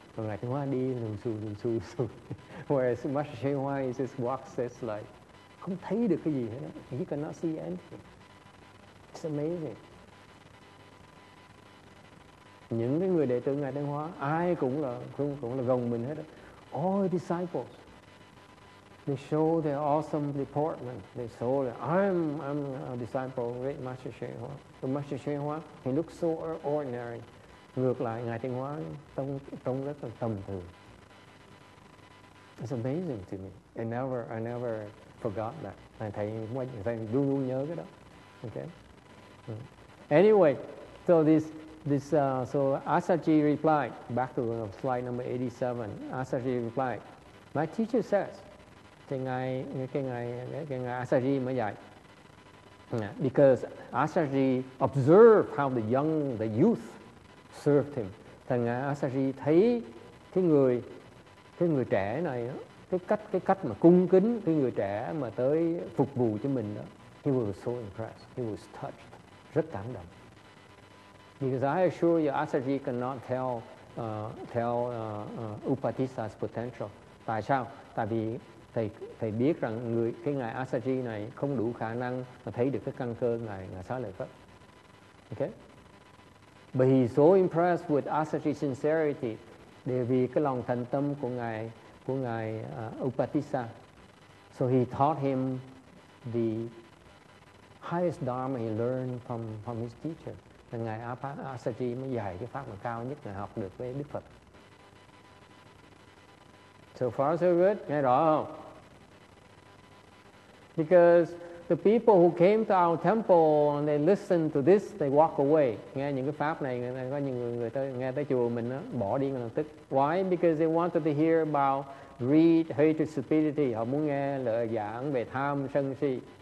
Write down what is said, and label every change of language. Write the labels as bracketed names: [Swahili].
[Vietnamese] Còn Ngài thì hóa đi lùm xù. [English] Whereas Master Shen Hoa is just walks, it's like [Vietnamese] không thấy được cái gì hết. [English] He cannot see anything. It's amazing. [Vietnamese] Những cái người đệ tử Ngài Đăng Hóa ai cũng là gồng mình hết. [English] All the disciples, they show their awesome deportment. They show that I'm a disciple of great Master Shen Hoa. The Master Shen Hoa, he looks so ordinary. [Vietnamese] Ngược lại, Ngài Đăng Hóa trông rất là tầm thường. [English] It's amazing to me. I never forgot that. I [Vietnamese] luôn luôn nhớ cái đó. [English] Okay. Anyway, so this Asaji replied, back to slide number 87. Asaji replied, my teacher says, [Vietnamese] cái ngài Asaji mới dạy, [English] because Asaji observed how the youth served him. [Vietnamese] Thằng ngài Asaji thấy cái người trẻ này, cái cách mà cung kính cái người trẻ mà tới phục vụ cho mình đó. [English] He was so impressed. He was touched. [Vietnamese] Rất cảm động. [English] Because I assure you, Asaji cannot tell Upatissa's potential. [Vietnamese] Tại sao? Tại vì thầy biết rằng ngài Asaji này không đủ khả năng mà thấy được cái căn cơ ngài Xá Lợi Phất. [English] Okay? But he's so impressed with Asaji's sincerity. [Vietnamese] Để vì cái lòng thành tâm của ngài Upatissa, [English] so he taught him the highest dharma he learned from his teacher. [Vietnamese] Thì ngài Asaji mới dạy cái pháp mà cao nhất ngài học được với Đức Phật. [English] So far so good, [Vietnamese] nghe rõ không? [English] Because the people who came to our temple and they listen to this, they walk away. [Vietnamese] Nghe những cái pháp này, có những người tới nghe tới chùa mình đó, bỏ đi ngay lập tức. [English] Why? Because they wanted to hear about greed, hatred, stupidity. [Vietnamese] Họ muốn nghe lời giảng về tham sân si.